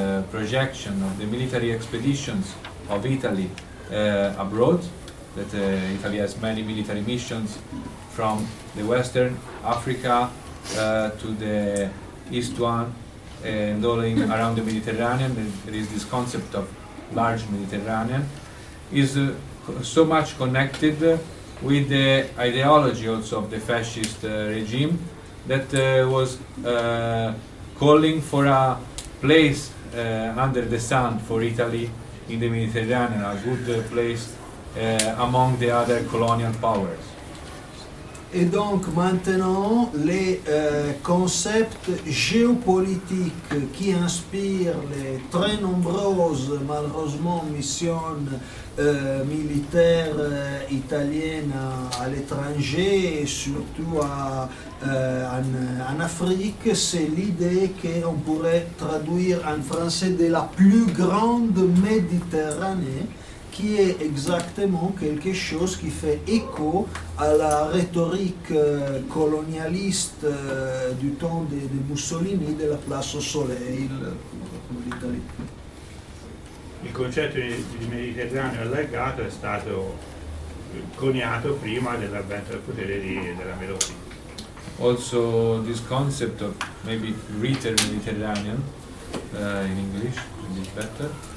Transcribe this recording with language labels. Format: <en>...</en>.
<en>projection, of the military expeditions of Italy abroad, that Italy has many military missions from the Western Africa to the East one, and all in, around the Mediterranean, there is this concept of large Mediterranean, is so much connected with the ideology also of the fascist regime that was calling for a place under the sun for Italy in the Mediterranean, a good place among the other colonial powers.</en> <fr>Et donc maintenant, les concepts géopolitiques qui inspirent les très nombreuses, malheureusement, missions militaires italiennes à l'étranger, et surtout en Afrique, c'est l'idée qu'on pourrait traduire en français de la plus grande Méditerranée, qui est exactement quelque chose qui fait écho à la rhétorique colonialiste du temps de Mussolini, de la place au soleil pour l'Italie.</fr> <it>Il concetto di Mediterraneo allargato è stato coniato prima dell'avvento del potere della Meloni.</it> <en>Also this concept of maybe greater Mediterranean in English would be better.</en>